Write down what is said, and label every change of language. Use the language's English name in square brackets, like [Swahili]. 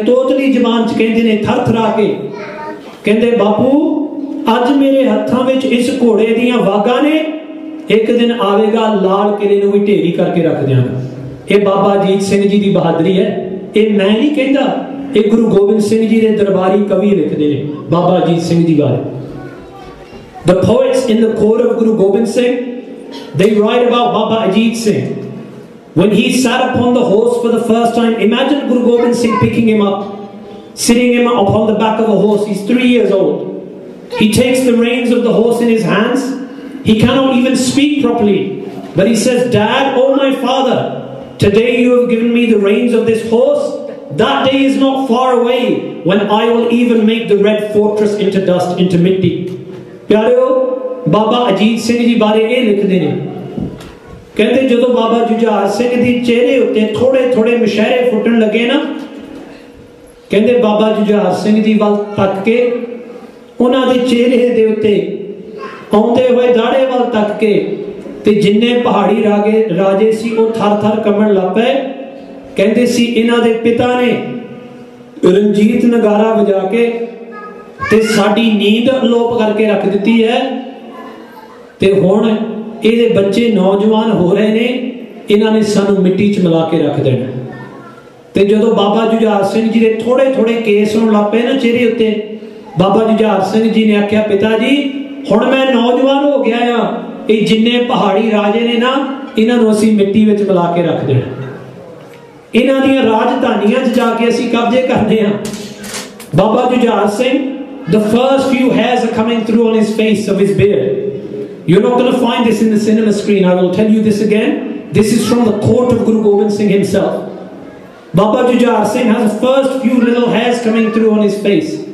[Punjabi] ਤੋਤਲੀ ਜ਼ਬਾਨ ਚ ਕਹਿੰਦੇ ਨੇ ਥਰ ਥਰਾ ਕੇ, ਕਹਿੰਦੇ ਬਾਪੂ ਅੱਜ ਮੇਰੇ ਹੱਥਾਂ ਵਿੱਚ ਇਸ ਘੋੜੇ ਦੀਆਂ ਵਾਗਾਂ ਨੇ, ਇੱਕ ਦਿਨ ਆਵੇਗਾ ਲਾਲ ਕਿਲੇ ਨੂੰ ਵੀ ਢੇਰੀ ਕਰਕੇ ਰੱਖ ਦਿਆਂਗਾ। ਇਹ ਬਾਬਾ ਅਜੀਤ ਸਿੰਘ ਜੀ ਦੀ ਬਹਾਦਰੀ ਹੈ, ਇਹ ਮੈਂ ਨਹੀਂ ਕਹਿੰਦਾ, ਇਹ ਗੁਰੂ ਗੋਬਿੰਦ ਸਿੰਘ ਜੀ ਦੇ ਦਰਬਾਰੀ ਕਵੀ ਲਿਖਦੇ ਨੇ ਬਾਬਾ ਅਜੀਤ ਸਿੰਘ ਜੀ ਬਾਰੇ। [English] The poets in the court of Guru Gobind Singh, they write about Baba Ajit Singh. When he sat upon the horse for the first time, imagine Guru Gobind Singh picking him up, sitting him upon the back of a horse. He's 3 years old. He takes the reins of the horse in his hands. He cannot even speak properly. But he says, Dad, oh my father, today you have given me the reins of this horse. That day is not far away when I will even make the red fortress into dust, into mitti. [Punjabi] ਪਿਆਰਿਓ, ਬਾਬਾ ਅਜੀਤ ਸਿੰਘ ਜੀ ਬਾਰੇ ਇਹ ਲਿਖਦੇ ਨੇ, ਕਹਿੰਦੇ ਜਦੋਂ ਬਾਬਾ ਜੁਝਾਰ ਸਿੰਘ ਦੀ ਚਿਹਰੇ ਉੱਤੇ ਥੋੜੇ ਥੋੜੇ ਮਸ਼ਹਿਰੇ ਫੁੱਟਣ ਲੱਗੇ ਨਾ, ਕਹਿੰਦੇ ਬਾਬਾ ਜੁਝਾਰ ਸਿੰਘ ਜੀ ਵੱਲ ਤੱਕ ਕੇ, ਉਹਨਾਂ ਦੇ ਚਿਹਰੇ ਦੇ ਉੱਤੇ ਆਉਂਦੇ ਹੋਏ ਦਾੜੇ ਵੱਲ ਤੱਕ ਕੇ, ਤੇ ਜਿੰਨੇ ਪਹਾੜੀ ਰਾਜੇ ਸੀ ਉਹ ਥਰ ਥਰ ਕੰਬਣ ਲੱਗ ਪਏ। ਕਹਿੰਦੇ ਸੀ ਇਹਨਾਂ ਦੇ ਪਿਤਾ ਨੇ ਰਣਜੀਤ ਨਗਾਰਾ ਵਜਾ ਕੇ ਤੇ ਸਾਡੀ ਨੀਂਦ ਅਲੋਪ ਕਰਕੇ ਰੱਖ ਦਿੱਤੀ ਹੈ, ਤੇ ਹੁਣ ਇਹਦੇ ਬੱਚੇ ਨੌਜਵਾਨ ਹੋ ਰਹੇ ਨੇ, ਇਹਨਾਂ ਨੇ ਸਾਨੂੰ ਮਿੱਟੀ 'ਚ ਮਿਲਾ ਕੇ ਰੱਖ ਦੇਣਾ। ਤੇ ਜਦੋਂ ਬਾਬਾ ਜੁਝਾਰ ਸਿੰਘ ਜੀ ਦੇ ਥੋੜ੍ਹੇ ਥੋੜ੍ਹੇ ਕੇਸ ਹੋਣ ਲੱਗ ਪਏ ਨਾ ਚਿਹਰੇ ਉੱਤੇ, ਬਾਬਾ ਜੁਝਾਰ ਸਿੰਘ ਜੀ ਨੇ ਆਖਿਆ, ਪਿਤਾ ਜੀ ਹੁਣ ਮੈਂ ਨੌਜਵਾਨ ਹੋ ਗਿਆ ਹਾਂ, ਇਹ ਜਿੰਨੇ ਪਹਾੜੀ ਰਾਜੇ ਨੇ ਨਾ ਇਹਨਾਂ ਨੂੰ ਅਸੀਂ ਮਿੱਟੀ ਵਿੱਚ ਮਿਲਾ ਕੇ ਰੱਖ ਦੇਣਾ, ਇਹਨਾਂ ਦੀਆਂ ਰਾਜਧਾਨੀਆਂ 'ਚ ਜਾ ਕੇ ਅਸੀਂ ਕਬਜ਼ੇ ਕਰਦੇ ਹਾਂ। [English] Baba Jujhar Singh, the first few hairs are coming through on his face of his beard. You're not going to find this in the cinema screen. I will tell you this again. This is from the court of Guru Gobind Singh himself. Baba Jujhar Singh has the first few little hairs coming through on his face.